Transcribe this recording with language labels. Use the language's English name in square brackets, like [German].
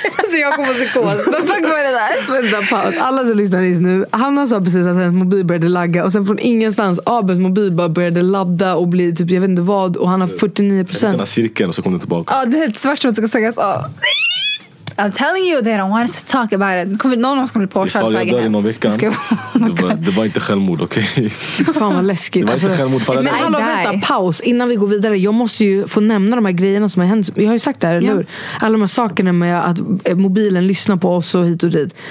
[Swedish] Så jag kommer se kåsen. Vad fan går det där? Vänta, paus. Alla som lyssnar just nu, Hanna sa precis att hennes mobil började lagga. Och sen från ingenstans, Abels mobil bara började ladda och bli typ, jag vet inte vad. Och han har 49%. Den här cirkeln och så kom den tillbaka. Ja, det är helt svart som att det ska stängas av. [English] I'm telling you, they don't want us to talk about it. [Swedish] Kommer någon som kommer bli påkörd på vägen hem? Ifall jag dör i någon vecka, det var inte självmord, okej? Okay? Fan vad läskigt. Det var inte självmord. Men hallå, vänta, paus. Innan vi går vidare, jag måste ju få nämna de här grejerna som har hänt. Jag har ju sagt det här, eller hur? Alla de här sakerna med att mobilen lyssnar på oss och hit och dit.